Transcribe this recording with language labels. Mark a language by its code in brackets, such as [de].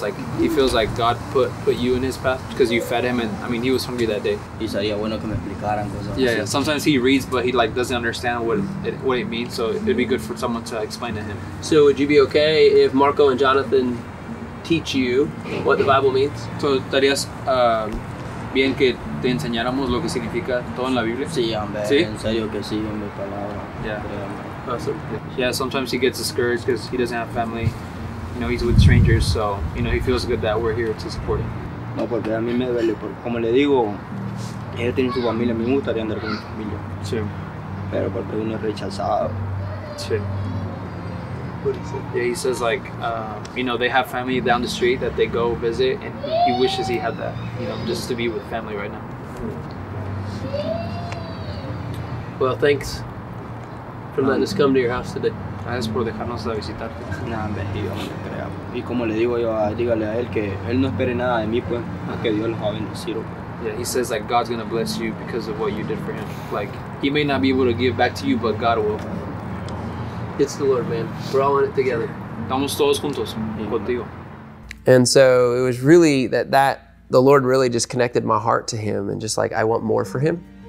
[en] Like, he feels like God put you in his path because you fed him, and I mean, he was hungry that day. Yeah. Sometimes he reads, but he like doesn't understand what it means. So it'd be good for someone to explain to him. So would you be okay if Marco and Jonathan teach you what the Bible means? [es] So estarías bien que te enseñáramos lo que significa todo en la Biblia? Sí, hombre. Sí. En serio que sí, en mi palabra. [en] Yeah. Awesome. Yeah, sometimes he gets discouraged because he doesn't have family. You know, he's with strangers, so, you know, he feels good that we're here to support him. [es] No, porque a mí me duele, porque como le digo, él tiene su familia, a mí me gustaría andar con mi familia. Sí. Pero porque uno es rechazado. [en] Sí. What is it? Yeah, he says, like, you know, they have family down the street that they go visit, and he wishes he had that, you know, just to be with family right now. Well, thanks. For letting us come to your house today. [es] Gracias por dejarnos a visitarte. Nada, bendito, no le creamos. Y como le digo yo, dígale a él que él no espere nada de mí, pues, que Dios lo va a bendecir. [en] Yeah, he says that God's gonna bless you because of what you did for him. Like, he may not be able to give back to you, but God will. It's the Lord, man. We're all in it together. [es] Estamos todos juntos contigo. [en] And so it was really that the Lord really just connected my heart to him and just like, I want more for him.